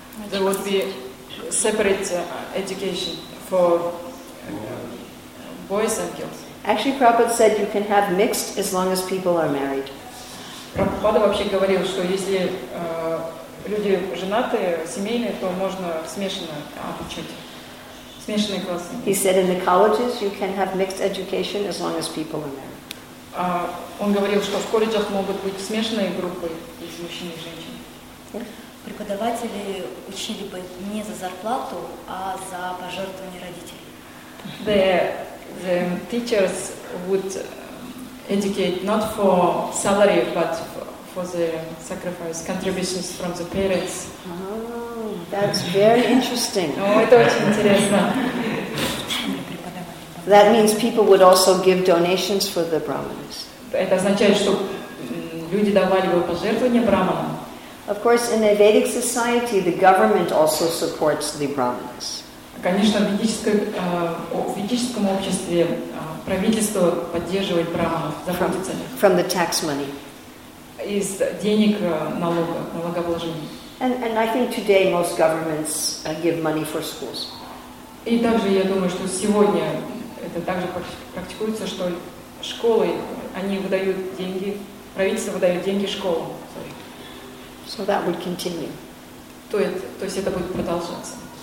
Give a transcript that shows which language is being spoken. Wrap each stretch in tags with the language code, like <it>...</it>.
<en>There would be separate education for boys and girls. Actually, Prabhupada said you can have mixed as long as people are married.</en> <ru>Prabhupada вообще говорил, что если люди женатые, семейные, то можно смешанно обучать. Смешанные классы.</ru> <en>He said in the colleges you can have mixed education as long as people are married.</en> <ru>Он говорил, что в колледжах могут быть смешанные группы из мужчин и женщин. Преподаватели учили бы не за зарплату, а за пожертвования родителей.</ru> <en>The teachers would educate not for salary, but for the sacrifice, contributions from the parents. Oh, that's very interesting.</en> <ru>Это очень интересно.</ru> <en>That means people would also give donations for the brahmanas.</en> <ru>Это означает, что люди давали бы пожертвования брахманам.</ru> <en>Of course, in a Vedic society, the government also supports the brahmanas.</en> <ru>Конечно, в ведическом обществе правительство поддерживает брахманов, заботится о них.</ru> <en>From the tax money.</en> <ru>Из денег налога, налогообложения.</ru> <en>And I think today most governments give money for schools.</en> <ru>И также я думаю, что сегодня это также практикуется, что школы, они выдают деньги, правительство выдает деньги школам.</ru> <en>So that would continue.</en> <ru>То есть это будет продолжаться.</ru>